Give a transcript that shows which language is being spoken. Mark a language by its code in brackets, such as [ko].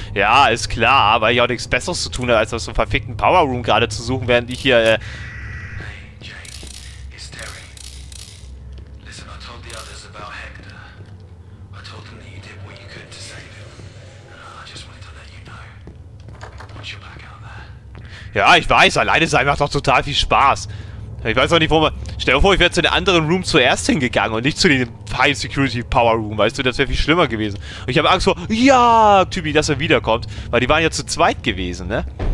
[de] Ja, ist klar, weil ich auch nichts Besseres zu tun habe, als aus dem verfickten Power Room gerade zu suchen, während ich hier, [en] Hey, Jake. It's Terry. Listen, I told the others about Hector. I told them that you did what you could to save him. And I just wanted to let you know. Watch your back out there. [de] Ja, ich weiß, alleine sein macht doch total viel Spaß. Ich weiß auch nicht, wo man... Stell dir vor, ich wäre zu den anderen Room zuerst hingegangen und nicht zu den High Security Power Room, weißt du? Das wäre viel schlimmer gewesen. Und ich habe Angst vor... Ja, Typi, dass er wiederkommt. Weil die waren ja zu zweit gewesen, ne?